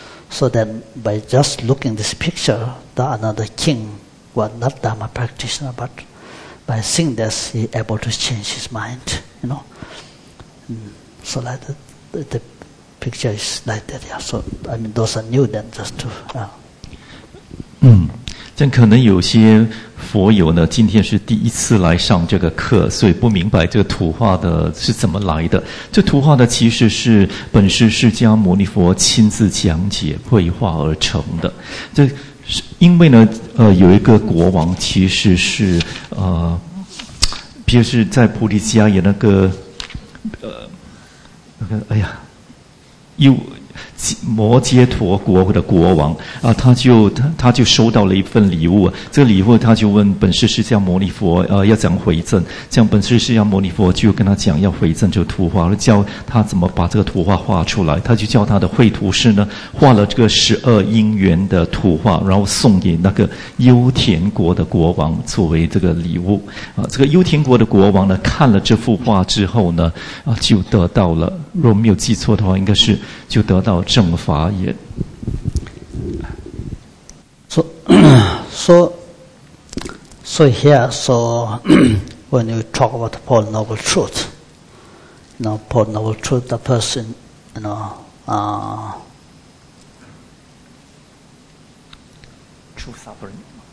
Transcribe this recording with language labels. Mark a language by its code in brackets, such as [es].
[en] So then, by just looking this picture, the another king was not Dharma practitioner, but by seeing this, he able to change his mind, you know. So like the picture is like that, yeah. So, I mean, those are new then, just to, yeah. [zh] 这可能有些佛友呢，今天是第一次来上这个课，所以不明白这个图画的是怎么来的。这图画的其实是本师释迦牟尼佛亲自讲解绘画而成的。这是因为呢，有一个国王其实是就是在菩提迦耶那个哎呀。有摩揭陀国的国王啊，他就收到了一份礼物。这个礼物他就问本师释迦牟尼佛要怎回赠。这样本师释迦牟尼佛就跟他讲要回赠这个图画，教他怎么把这个图画画出来。他就叫他的绘图师呢画了这个十二因缘的图画，然后送给那个优田国的国王作为这个礼物啊。这个优田国的国王呢看了这幅画之后呢就得到了，如果没有记错的话应该是就得到正法眼。 [en] So, So here, so when you talk about the Four Noble Truths, you know, Four Noble Truths, the person, you know, true suffering.